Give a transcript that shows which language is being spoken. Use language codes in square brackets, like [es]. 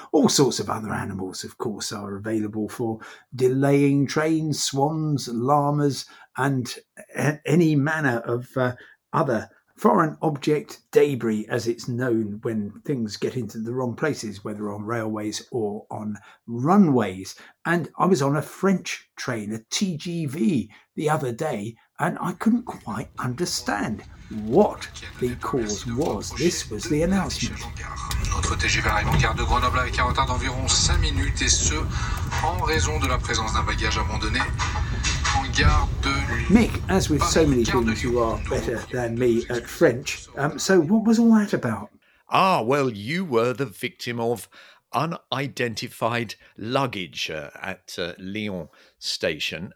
[en] All sorts of other animals, of course, are available for delaying trains, swans, llamas, and any manner of other foreign object debris, as it's known when things get into the wrong places, whether on railways or on runways. And I was on a French train, a TGV, the other day, and I couldn't quite understand what the cause was. This was the announcement. [fr] Notre TGV arrive en gare de Grenoble avec un retard d'environ 5 minutes, et ce, en raison de la présence d'un bagage abandonné. [en] Mick, as with so many things, you are better than me at French. So what was all that about? Ah, well, you were the victim of unidentified luggage at Lyon station.